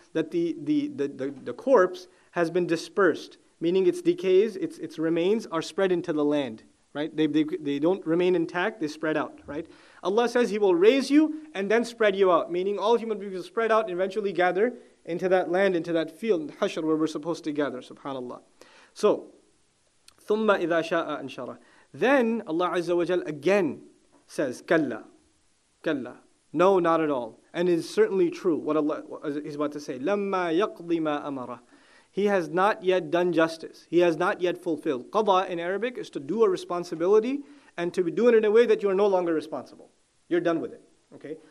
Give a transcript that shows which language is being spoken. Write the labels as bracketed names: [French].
[English] That the corpse has been dispersed, meaning its decays, its remains are spread into the land, right? They don't remain intact, they spread out, right? Allah says he will raise you and then spread you out, meaning all human beings will spread out and eventually gather into that land, into that field, Hashar, where we're supposed to gather, subhanAllah. So, [Arabic] ثُمَّ إِذَا شَاءَ أَنْشَرَ. [English] Then Allah Azza wa Jal again says, [Arabic] كَلَّا, كَلَّا. [English] No, not at all. And it is certainly true what Allah is about to say. [Arabic] لَمَّا يَقْضِي مَا أَمَرَ. [English] He has not yet done justice. He has not yet fulfilled. Qadha in Arabic is to do a responsibility and to do it in a way that you are no longer responsible. You're done with it. Okay?